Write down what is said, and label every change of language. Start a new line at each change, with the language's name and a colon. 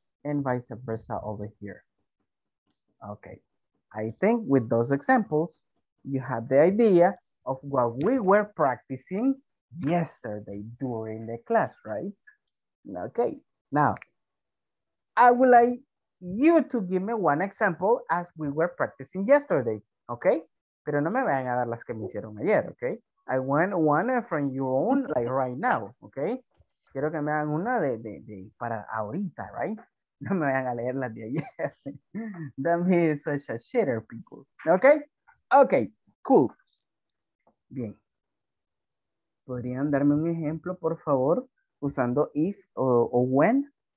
English: And vice versa over here. Okay, I think with those examples, you have the idea of what we were practicing yesterday during the class, right? Okay, now I would like you to give me one example as we were practicing yesterday, okay?
Spanish: Pero no me vayan a dar las que me hicieron ayer, okay?
English: I want one from your own, like right now, okay?
Spanish: Quiero que me hagan una de para ahorita, right? No me vayan a leer las de ayer.
English: That means such a shitter, people, okay? Okay, cool. Bien.
Spanish: ¿Podrían darme un ejemplo, por favor, usando if o when?